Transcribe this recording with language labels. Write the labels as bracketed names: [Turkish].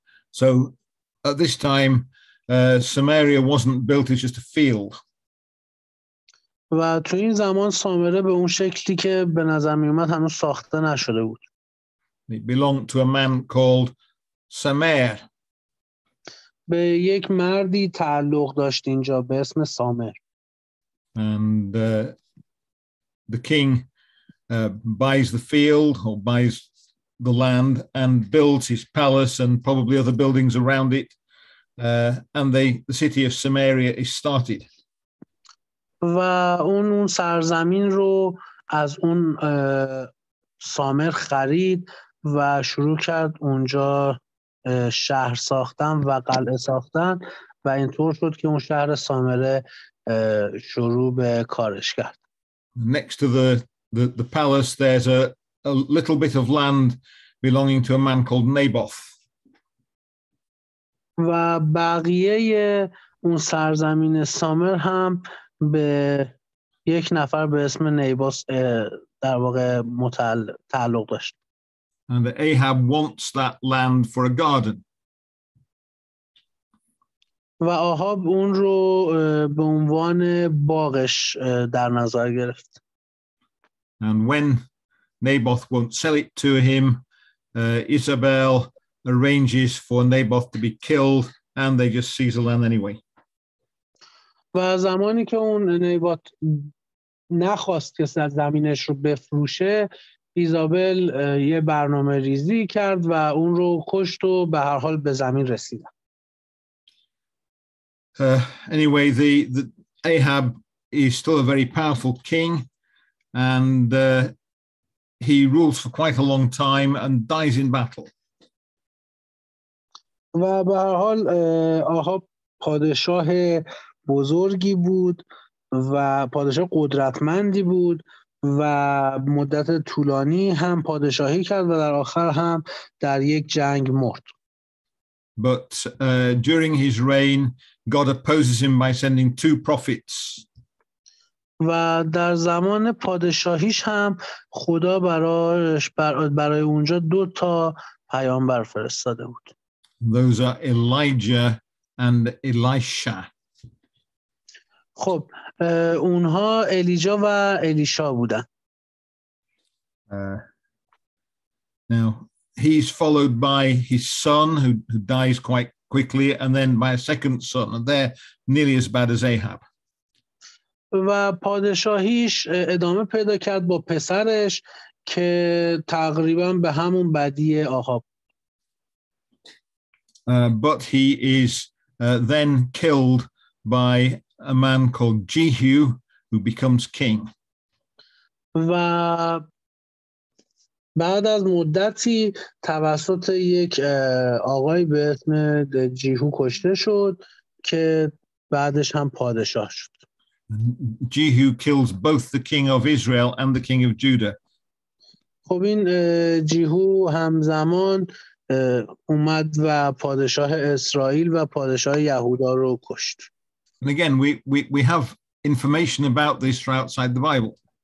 [English] So at this time Samaria wasn't built, it's just a field. [Persian] و تو این زمان سامره به اون شکلی که به نظر می اومد هنوز ساخته نشده بود. [English] It belonged to a man called Samer. [Persian] به یک مردی تعلق داشت اینجا به اسم سامر. [English] And the king buys the field or buys the land and builds his palace and probably other buildings around it, and the city of Samaria is started. [Persian] و اون سرزمین رو از اون سامر خرید و شروع کرد اونجا شهر ساختن و قلعه ساختن و اینطور شد که اون شهر سامره شروع به کارش کرد. [English] Next to the palace there's a little bit of land belonging to a man called Naboth. [Persian] و بقیه اون سرزمین سامر هم به یک نفر به اسم نیباس در واقع تعلق داشت. [English] And Ahab wants that land for a garden. [Persian] و آهاب اون رو به عنوان باغش در نظر گرفت. [English] And when Naboth won't sell it to him, Isabel arranges for Naboth to be killed, and they just seize the land anyway. [Persian] و زمانی که اون نیبات نخواست که زمینش رو بفروشه ایزابل یه برنامه ریزی کرد و اون رو کشت و به هر حال به زمین رسیدن. [English] Anyway, the Ahab is still a very powerful king and he rules for quite a long time and dies in battle. [Persian] و به هر حال آهاب پادشاه بزرگی بود و پادشاه قدرتمندی بود و مدت طولانی هم پادشاهی کرد و در آخر هم در یک جنگ مرد. [English] But during his reign, God opposes him by sending two prophets. [Persian] و در زمان پادشاهیش هم خدا برای اونجا دو تا پیامبر فرستاده بود. [English] Those are Elijah and Elisha. [Persian] خب اونها الیجا و الیشا بودن. [English] Now he's followed by his son who dies quite quickly and then by a second son and they're nearly as bad as Ahab. [Persian] و پادشاهیش ادامه پیدا کرد با پسرش که تقریبا به همون بدی آهاب. [English] But he is then killed by a man called Jehu who becomes king. [Persian] و بعد از مدتی توسط یک آقای به اسم جیهو کشته شد که بعدش هم پادشاه شد. [English] Jehu kills both the king of Israel and the king of Judah. [Persian] خب این جیهو همزمان اومد و پادشاه اسرائیل و پادشاه یهودا رو کشت. [English] And again, we have information about this from outside the Bible.